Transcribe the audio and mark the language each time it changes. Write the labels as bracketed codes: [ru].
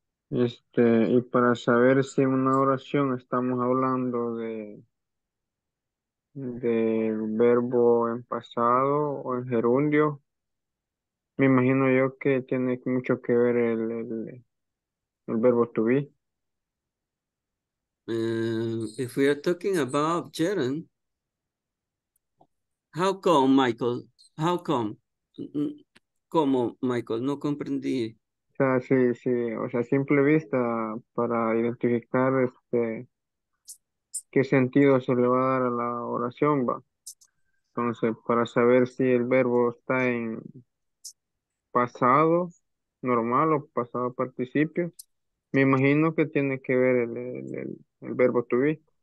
[es] Y para saber si en una oración estamos hablando de verbo en pasado o en gerundio, me imagino yo que tiene mucho que ver el verbo to be. [en] If we are talking about gerund, how come, Michael? How come? [es] ¿Cómo, Michael? No comprendí. O sea, sí, o sea, simple vista para identificar qué sentido se le va a dar a la oración, va. Entonces, para saber si el verbo está en pasado normal o pasado participio, me imagino que tiene que ver el verbo to be.